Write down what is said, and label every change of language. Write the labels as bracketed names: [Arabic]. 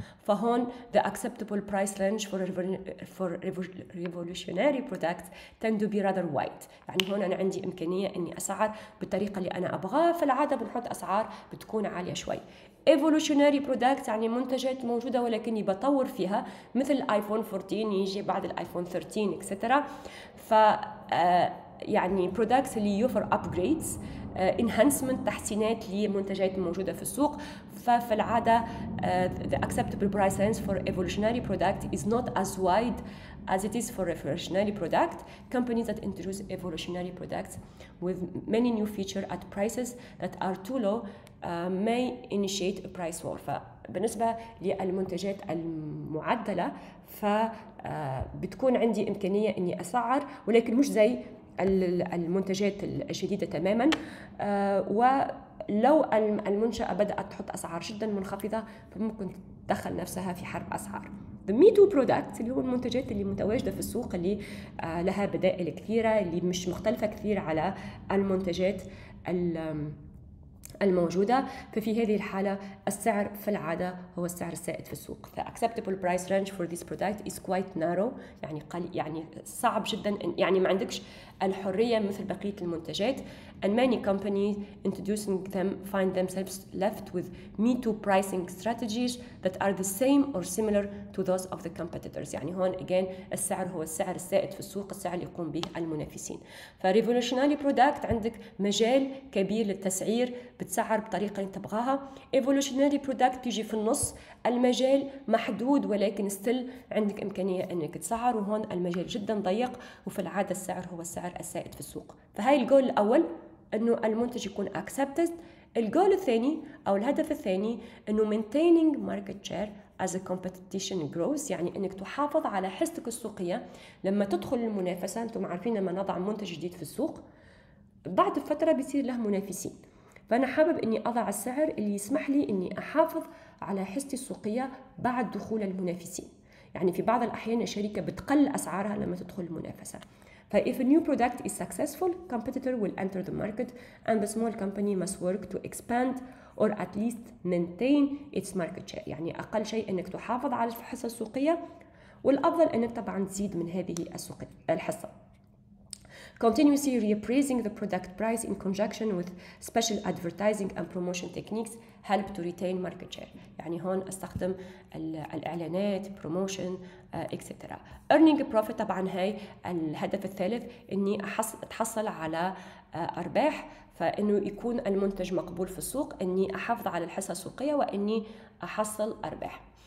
[Arabic] فهون [English] the acceptable price range for revolutionary product tend to be rather wide، [Arabic] يعني هون أنا عندي إمكانية أني أسعر بالطريقة اللي أنا أبغاها، فالعادة بنحط أسعار بتكون عالية شوي. evolutionary product يعني منتجات موجودة ولكني بطور فيها، مثل الآيفون 14 يجي بعد الآيفون 13 إكسترا، ف يعني products اللي يوفر [English] upgrades enhancement [Arabic] تحسينات لمنتجات موجودة في السوق. فالعادة [English] the acceptable price range for evolutionary product is not as wide as it is for revolutionary product. Companies that introduce evolutionary products with many new features at prices that are too low may initiate a price war. [Arabic] فبالنسبة للمنتجات المعدلة فبتكون عندي إمكانية إني أسعر، ولكن مش زي المنتجات الجديدة تماما. ولو المنشأة بدأت تحط أسعار جدا منخفضة فممكن تدخل نفسها في حرب أسعار. [English] The me too products [Arabic] اللي هو المنتجات اللي متواجدة في السوق اللي لها بدائل كثيرة، اللي مش مختلفة كثير على المنتجات الموجودة، ففي هذه الحالة السعر في العادة هو السعر السائد في السوق. [English] The acceptable price range for this product is quite narrow، [Arabic] يعني قليل، يعني صعب جدا، يعني ما عندكش الحرية مثل بقية المنتجات. [English] And many companies introducing them find themselves left with me too pricing strategies that are the same or similar to those of the competitors. [Arabic] يعني هون again السعر هو السعر السائد في السوق، السعر اللي يقوم به المنافسين. ف [English] revolutionary product [Arabic] عندك مجال كبير للتسعير، بتسعر بطريقة اللي تبغاها. [English] evolutionary product [Arabic] تيجي في النص، المجال محدود ولكن still عندك إمكانية أنك تسعر، وهون المجال جدا ضيق، وفي العادة السعر هو السعر السائد في السوق. فهاي الجول الأول أنه المنتج يكون accepted. الجول الثاني أو الهدف الثاني أنه [English] maintaining market share as a competition grows، [Arabic] يعني أنك تحافظ على حصتك السوقية لما تدخل المنافسة. أنتم عارفين لما نضع منتج جديد في السوق بعد فترة بيصير له منافسين، فأنا حابب أني أضع السعر اللي يسمح لي أني أحافظ على حصتي السوقية بعد دخول المنافسين. يعني في بعض الأحيان الشركة بتقل أسعارها لما تدخل المنافسة. [English] If a new product is successful, competitor will enter the market and the small company must work to expand or at least maintain its market share. [Arabic] يعني أقل شيء أنك تحافظ على الحصة السوقية، والأفضل أنك طبعا تزيد من هذه الحصة. [English] Continuously reappraising the product price in conjunction with special advertising and promotion techniques help to retain market share. [Arabic] يعني هون استخدم الإعلانات promotion etc. [English] Earning a profit [Arabic] طبعا هاي الهدف الثالث، إني أتحصل على أرباح، فإنه يكون المنتج مقبول في السوق، إني أحافظ على الحصة السوقية وإني أحصل أرباح.